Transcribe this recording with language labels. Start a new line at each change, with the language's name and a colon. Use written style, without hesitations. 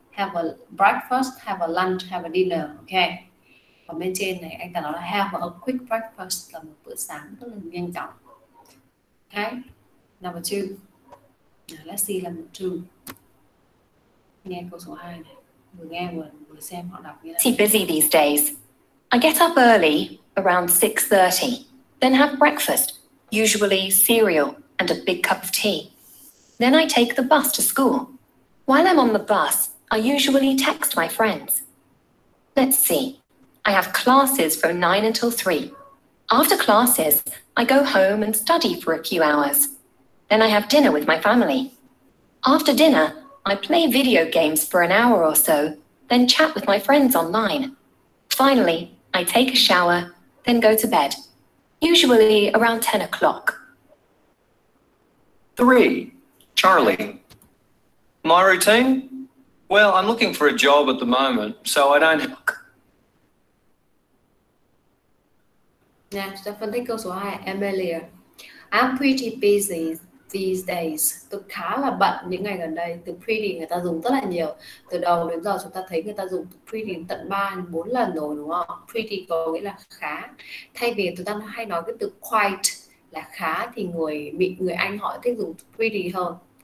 English: Have a breakfast, have a lunch, have a dinner, okay.
Vietnamese: Còn bên trên này, anh ta nói là
English: have a quick breakfast,
Vietnamese: là một bữa sáng rất là nhanh chóng.
English: Okay, number two. Now, let's see number two.
Vietnamese: Nghe câu số 2 này, vừa nghe vừa xem họ đọc như thế nào.
English: Busy these days. I get up early, around 6:30, then have breakfast, usually cereal and a big cup of tea. Then I take the bus to school. While I'm on the bus, I usually text my friends. Let's see. I have classes from 9 until 3. After classes, I go home and study for a few hours. Then I have dinner with my family. After dinner, I play video games for an hour or so, then chat with my friends online. Finally, I take a shower, then go to bed, usually around 10 o'clock. 3. Charlie. My routine? Well, I'm looking for a job at the moment, so I don't...
Vietnamese: Nè, chúng ta phân tích câu số 2, Amelia.
English: I'm pretty busy these days.
Vietnamese: Tôi khá là bận những ngày gần đây. Từ pretty người ta dùng rất là nhiều. Từ đầu đến giờ chúng ta thấy người ta dùng pretty tận 3-4 lần rồi, đúng không? Pretty có nghĩa là khá. Thay vì chúng ta hay nói cái từ quite là khá thì người Anh họ thích dùng pretty hơn.